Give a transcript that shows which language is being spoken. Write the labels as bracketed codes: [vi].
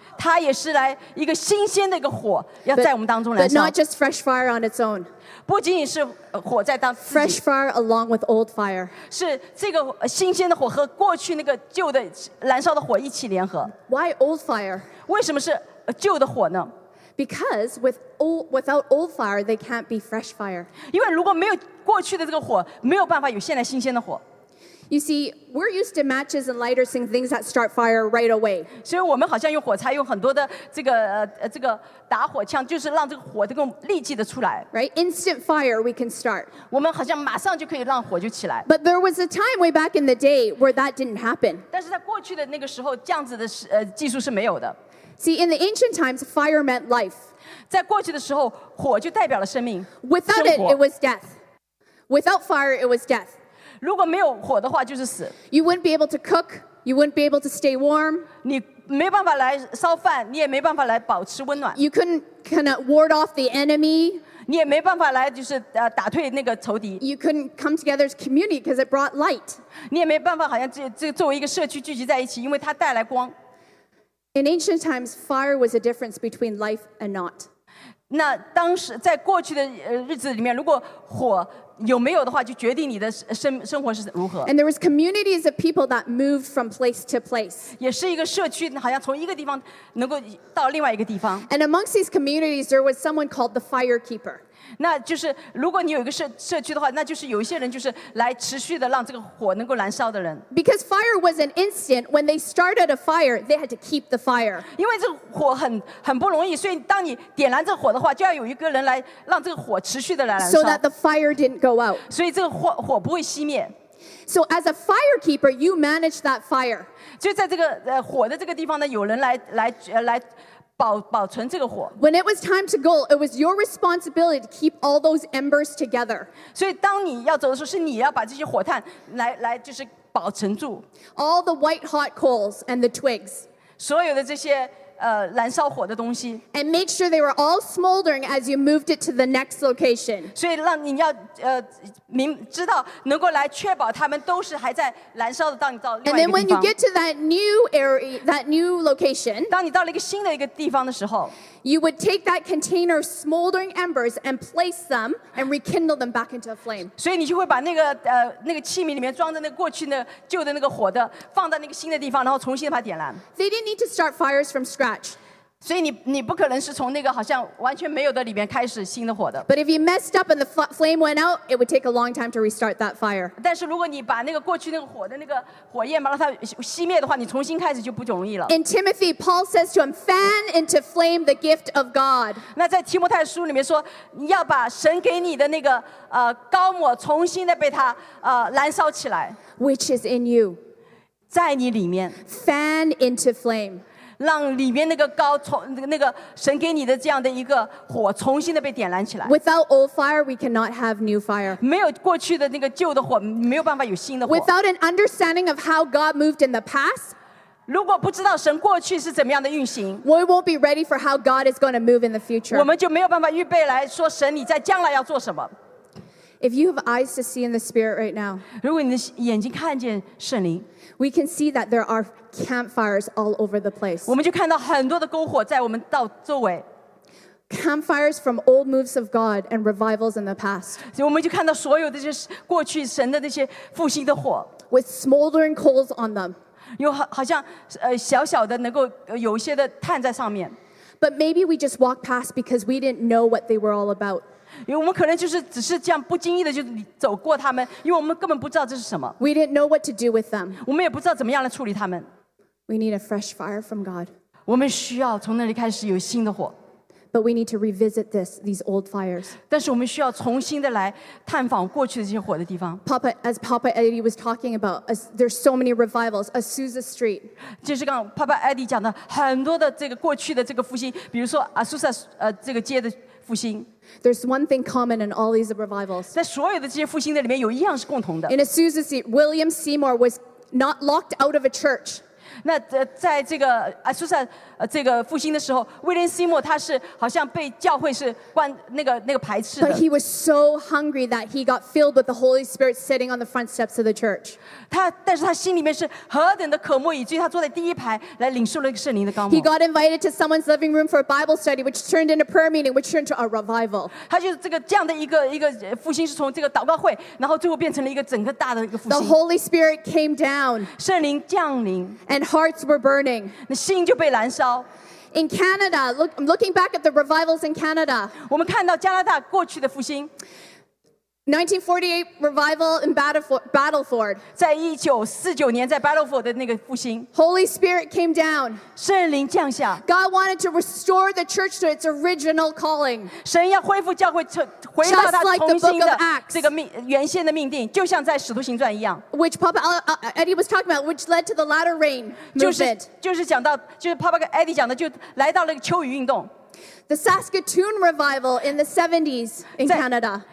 [zh] 它也是来一个新鲜的一个火, [en] but not just fresh fire on its own. [zh] 不仅仅是火在当, [en] fresh fire along with old fire. [zh] 是这个新鲜的火和过去那个旧的燃烧的火一起联合。 [en] Why old fire? [zh] 为什么是 旧的火呢? [en] Because with old, without old fire, they can't be fresh fire. [zh] 因为如果没有过去的这个火, 没有办法有现在新鲜的火。 [en] You see, we're used to matches and lighters and things that start fire right away. [zh] 所以我们好像用火柴, 用很多的这个, 这个打火枪, 就是让这个火能够立即的出来。 [en] Right? Instant fire we can start. [zh] 我们好像马上就可以让火就起来。 [en] But there was a time way back in the day where that didn't happen. [zh] 但是在过去的那个时候, 这样子的, 技术是没有的。 [en] See, in the ancient times, fire meant life. [zh] 在过去的时候, 火就代表了生命, [en] Without [zh] 生活. [en] It, it was death. Without fire, it was death. [zh] 如果没有火的话, [en] you wouldn't be able to cook. You wouldn't be able to stay warm. [zh] 你没办法来烧饭, [en] you couldn't kind of ward off the enemy. [zh] 你也没办法来就是, 打退那个仇敌。 [en] You couldn't come together as community because it brought light. [zh] 你也没办法好像这作为一个社区聚集在一起，因为它带来光。 [en] In ancient times, fire was a difference between life and not. [zh] 那当时在过去的日子里面, 如果火有没有的话, 就决定你的生活是如何。 [en] And there was communities of people that moved from place to place. [zh] 也是一个社区, 好像从一个地方能够到另外一个地方。 [en] And amongst these communities, there was someone called the fire keeper. [zh] 那就是如果你有一个社区的话, 那就是有一些人就是来持续的让这个火能够燃烧的人。 [en] Because fire was an instant, when they started a fire, they had to keep the fire. [zh] 因为这个火很不容易, 所以当你点燃这个火的话, 就要有一个人来让这个火持续的来燃烧。 [en] So that the fire didn't go out. [zh] 所以这个火不会熄灭。 [en] So as a fire keeper, you manage that fire. [zh] 就在这个, 火的这个地方呢, 有人来, 保存这个火。 [en] When it was time to go, it was your responsibility to keep all those embers together. [zh] 所以当你要走的时候, 是你要把这些火炭来, 就是保存住。 [en] All the white hot coals and the twigs. [zh] 所有的这些,燃烧火的东西。 [en] And make sure they were all smoldering as you moved it to the next location. [zh] 所以让你要明知道能够来确保他们都是还在燃烧的，到你到另外一个地方。 [en] And then when you get to that new area, that new location, [zh] 当你到了一个新的一个地方的时候。 [en] You would take that container of smoldering embers and place them and rekindle them back into a flame. [zh] 所以你就会把那个那个器皿里面装着那个过去那旧的那个火的放到那个新的地方，然后重新把它点燃。 [en] They didn't need to start fires from scratch. [zh] 所以你不可能是从那个好像完全没有的里面开始新的火的。 [en] But if you messed up and the flame went out, it would take a long time to restart that fire. [zh] 但是如果你把那个过去那个火的那个火焰把它熄灭的话，你重新开始就不容易了。 [en] In Timothy, Paul says to him, "Fan into flame the gift of God." [zh] 那在提摩太书里面说，你要把神给你的那个高抹重新的被它燃烧起来。 [en] Which is in you, [zh] 在你里面。 [en] Fan into flame. [zh] 让里面那个高从那个神给你的这样的一个火重新的被点燃起来。 [en] Without old fire, we cannot have new fire. [zh] 没有过去的那个旧的火，没有办法有新的火。 [en] Without an understanding of how God moved in the past, [zh] 如果不知道神过去是怎么样的运行 [en] ，we won't be ready for how God is going to move in the future. [zh] 我们就没有办法预备来说神你在将来要做什么。 [en] If you have eyes to see in the spirit right now, [zh] 如果你的眼睛看见圣灵。 [en] We can see that there are campfires all over the place. [zh] 我们就看到很多的篝火在我们到周围。 [en] Campfires from old moves of God and revivals in the past. [zh] 我们就看到所有的这些过去神的那些复兴的火。 [en] With smoldering coals on them. [zh] 有好像小小的能够有一些的炭在上面。 [en] But maybe we just walked past because we didn't know what they were all about. [zh] 我们可能就是只是这样不经意的就走过他们，因为我们根本不知道这是什么。 [en] We didn't know what to do with them. [zh] 我们也不知道怎么样来处理他们。 [en] We need a fresh fire from God. [zh] 我们需要从那里开始有新的火。 [en] But we need to revisit these old fires. [zh] 但是我们需要重新的来探访过去的这些火的地方。 [en] Papa, as Papa Eddie was talking about, there's so many revivals. Azusa Street. [zh] 就是刚刚 Papa Eddie 讲的很多的这个过去的这个复兴，比如说 Azusa 这个街的复兴。 [en] There's one thing common in all these revivals. [zh] 在所有的这些复兴的里面，有一样是共同的。 [en] In Azusa Street, William Seymour was not locked out of a church. [zh] 那在这个 Azusa 这个复兴的时候 ，William Seymour 他是好像被教会是关那个排斥的。 [en] But he was so hungry that he got filled with the Holy Spirit sitting on the front steps of the church. [zh] 他但是他心里面是何等的渴慕，以至于他坐在第一排来领受了一个圣灵的膏抹。 [en] He got invited to someone's living room for a Bible study, which turned into prayer meeting, which turned to a revival. [zh] 他就是这样的一个复兴是从这个祷告会，然后最后变成了一个整个大的一个复兴。 [en] The Holy Spirit came down. [zh] 圣灵降临。 [en] And hearts were burning. [zh] 那心就被燃烧。 [en] In Canada, looking back at the revivals in Canada. [zh] 我们看到加拿大过去的复兴。 [en] 1948 revival in Battleford. [zh] 在1949年在 Battleford 的那个复兴。 [en] Holy Spirit came down. [zh] 圣灵降下。 [en] God wanted to restore the church to its original calling. [zh] 神要恢复教会回到他重新的这个原先的命定，就像在《使徒行传》一样。 [en] Which Papa Eddie was talking about, which led to the latter rain movement. [zh] 就是讲到，就是 Papa Eddie 讲的，就来到了秋雨运动。 [en] The Saskatoon revival in the 70s in Canada.